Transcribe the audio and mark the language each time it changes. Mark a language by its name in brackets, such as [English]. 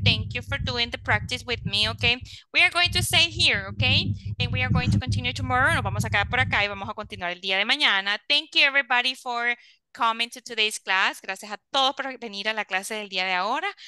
[English] Thank you for doing the practice with me, okay? We are going to stay here, okay? And we are going to continue tomorrow. [Spanish] Nos vamos a quedar por acá y vamos a continuar el día de mañana. [English] Thank you, everybody, for coming to today's class. [Spanish] Gracias a todos por venir a la clase del día de ahora.